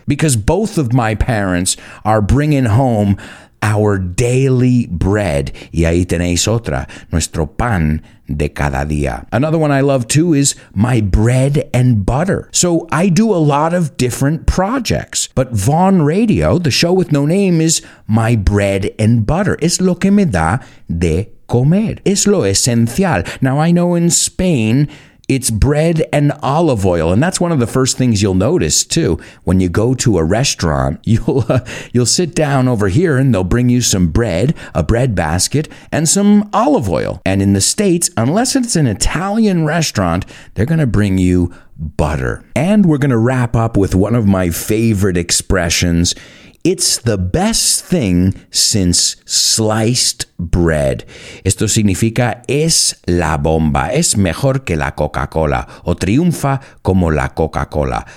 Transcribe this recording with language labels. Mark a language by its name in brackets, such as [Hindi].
[English] Because both of my parents are bringing home our daily bread. [Spanish] Y ahí tenéis otra, nuestro pan de cada día. [English] Another one I love too is my bread and butter. So I do a lot of different projects, but Vaughn Radio, the show with no name, is my bread and butter. [Spanish] Es lo que me da de comer. Es lo esencial. [English] Now I know in Spain, It's bread and olive oil. And that's one of the first things you'll notice, too. When you go to a restaurant, you'll sit down over here and they'll bring you some bread, a bread basket, and some olive oil. And in the States, unless it's an Italian restaurant, they're going to bring you butter. And we're going to wrap up with one of my favorite expressions. It's the best thing since sliced bread. [Spanish] Esto significa es la bomba, es mejor que la Coca-Cola, o triunfa como la Coca-Cola.